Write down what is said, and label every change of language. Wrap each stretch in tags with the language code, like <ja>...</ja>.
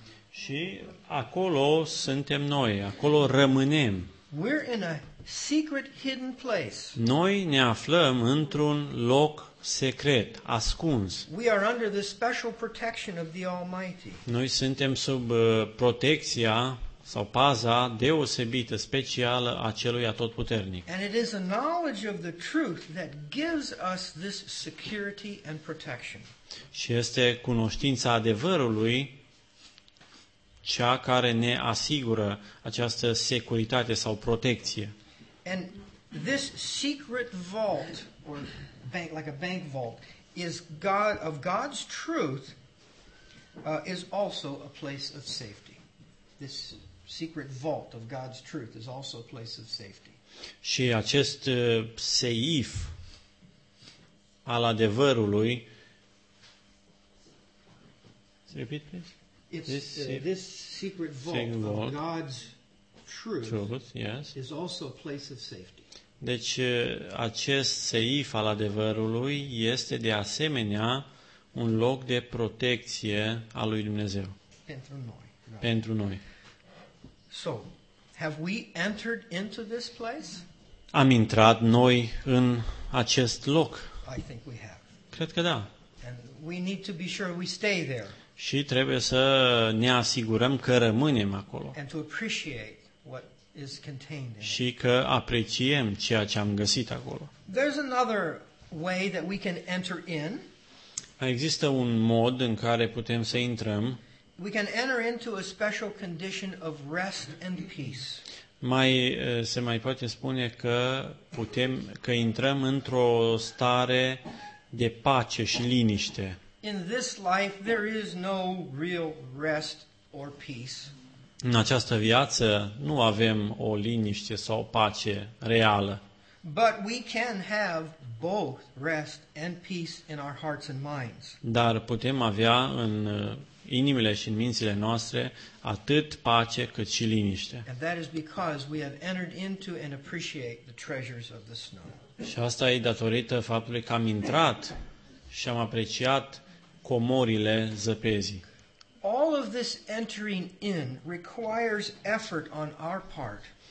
<ro>Și acolo suntem noi, acolo rămânem.</ro> <en>We're in a secret hidden place.</en> <ro>Noi ne aflăm într-un loc secret, ascuns.</ro> <en>We are under the special protection of the Almighty.</en> <ro>Noi suntem sub protecția sau paza deosebită, specială a celui atotputernic.</ro> <en>And it is a knowledge of the truth that gives us this security and protection.</en> <ro>Și este cunoștința adevărului cea care ne asigură această securitate sau protecție.</ro> <en>And this secret vault, or bank, like a bank vault, is God of God's truth, is also a place of safety. This secret vault of God's truth is also a place of safety.</en> <ro>Și acest seif al adevărului.</ro> <en>Repeat, please. This secret vault of God's truth, yes, is also a place of safety.</en> <ro>Deci acest seif al adevărului este de asemenea un loc de protecție al lui Dumnezeu. Pentru noi. Da. Pentru noi.</ro> <en>So, have we entered into this place?</en> <ro>Am intrat noi în acest loc?</ro> <en>I think we have.</en> <ro>Cred că da.</ro> <en>And we need to be sure we stay there.</en> <ro>Și trebuie să ne asigurăm că rămânem acolo.</ro> <en>And to appreciate what is contained in</en> <ro>it. Și că apreciem ceea ce am găsit acolo.</ro> <en>There's another way that we can enter in.</en> <ro>Există un mod în care putem să intrăm.</ro> <en>We can enter into a special condition of rest and peace.</en> <ro>Se mai poate spune că că intrăm într-o stare de pace și liniște.</ro> <en>In this life there is no real rest or peace.</en> <ro>În această viață nu avem o liniște sau pace reală.</ro> <en>But we can have both rest and peace in our hearts and minds.</en> <ro>Dar putem avea în inimile și în mințile noastre atât pace cât și liniște.</ro> <en>And that is because we have entered into and appreciate the treasures of the snow.</en> <ro>Și asta e datorită faptului că am intrat și am apreciat comorile zăpezii.</ro> <en>All of this entering in requires effort on our part.</en>